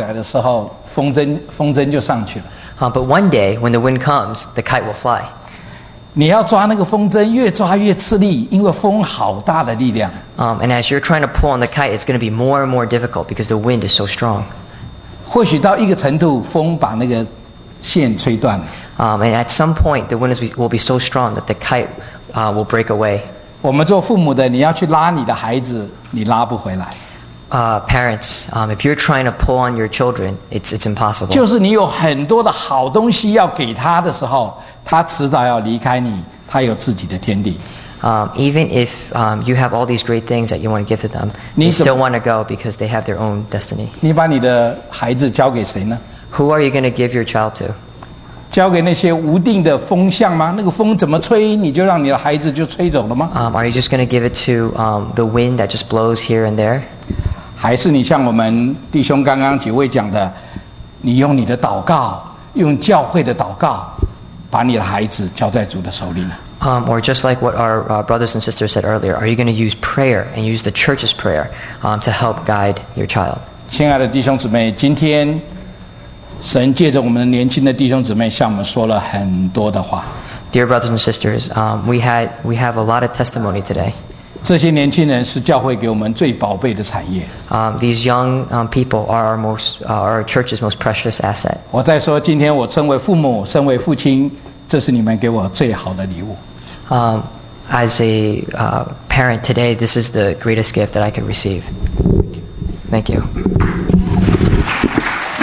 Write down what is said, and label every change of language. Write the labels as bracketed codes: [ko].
[zh] 可是有一天，当风刮起来的时候，风筝就上去了。 [en] But one day when the wind comes, the kite will fly. [zh] 你要抓那个风筝，越抓越吃力，因为风好大的力量。 [en] And as you're trying to pull on the kite, it's going to be more and more difficult because the wind is so strong. [zh] 或许到一个程度，风把那个线吹断了。 [en] And at some point, the wind will be so strong that the kite will break away. [zh] 我们做父母的，你要去拉你的孩子，你拉不回来。 [en] Parents, if you're trying to pull on your children, it's impossible. [zh] 就是你有很多的好东西要给他的时候，他迟早要离开你，他有自己的天地。 [en] Even if you have all these great things that you want to give to them, they still want to go because they have their own destiny. [zh] 你把你的孩子交给谁呢？ [en] Who are you going to give your child to? [zh] 交给那些无定的风向吗？那个风怎么吹，你就让你的孩子就吹走了吗？ [en] Are you just going to give it to the wind that just blows here and there? [zh] 还是你像我们弟兄刚刚几位讲的，你用你的祷告，用教会的祷告，把你的孩子交在主的手里呢？ [en] Or just like what our brothers and sisters said earlier, are you going to use prayer and use the church's prayer to help guide your child? [zh] 亲爱的弟兄姊妹，今天神借着我们年轻的弟兄姊妹向我们说了很多的话。 [en] Dear brothers and sisters, we have a lot of testimony today. [zh] 这些年轻人是教会给我们最宝贝的产业。 [en] These young people are our church's most precious asset. [zh] 我在说，今天我身为父母，身为父亲，这是你们给我最好的礼物。 [en] As a parent today, this is the greatest gift that I could receive. Thank you.